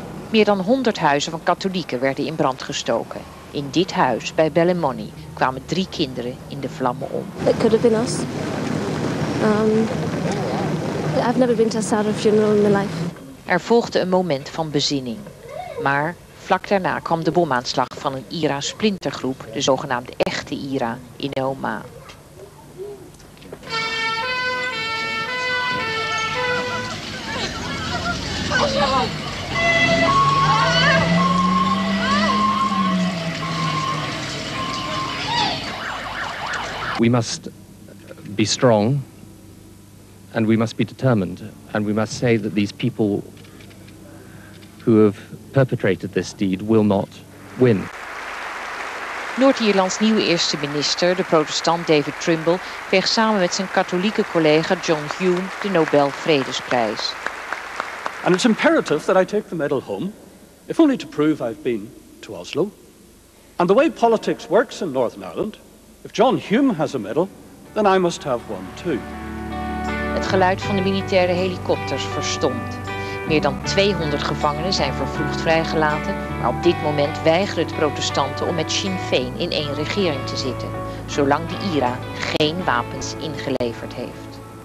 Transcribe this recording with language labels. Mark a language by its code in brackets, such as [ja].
[nl] Meer dan 100 huizen van katholieken werden in brand gestoken. In dit huis bij Bellemoney kwamen 3 kinderen in de vlammen om. [en] It could have been us. I've never been to a sadder funeral in my life. [nl] Er volgde een moment van bezinning. Maar vlak daarna kwam de bomaanslag van een IRA splintergroep, de zogenaamde echte IRA, in Omagh. [en] We must be strong and we must be determined and we must say that these people who have perpetrated this deed will not win. [nl] Noord-Ierlands nieuwe eerste minister, de protestant David Trimble, kreeg samen met zijn katholieke collega John Hume de Nobel Vredesprijs. [en] And it's imperative that I take the medal home, if only to prove I've been to to Oslo. And the way politics works in Northern Ireland, if John Hume has a medal, then I must have one too. [nl] Het geluid van de militaire helikopters verstomt. Meer dan 200 gevangenen zijn vervroegd vrijgelaten, maar op dit moment weigeren de protestanten om met Sinn Féin in één regering te zitten, zolang de IRA geen wapens ingeleverd heeft.